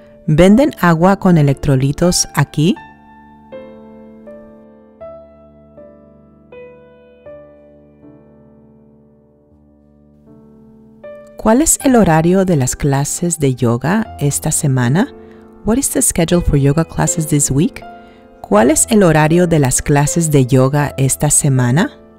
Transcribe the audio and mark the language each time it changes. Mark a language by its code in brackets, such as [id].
[es] ¿Venden agua con electrolitos aquí? ¿Cuál es el horario de las clases de yoga esta semana? [en] What is the schedule for yoga classes this week? [es] ¿Cuál es el horario de las clases de yoga esta semana?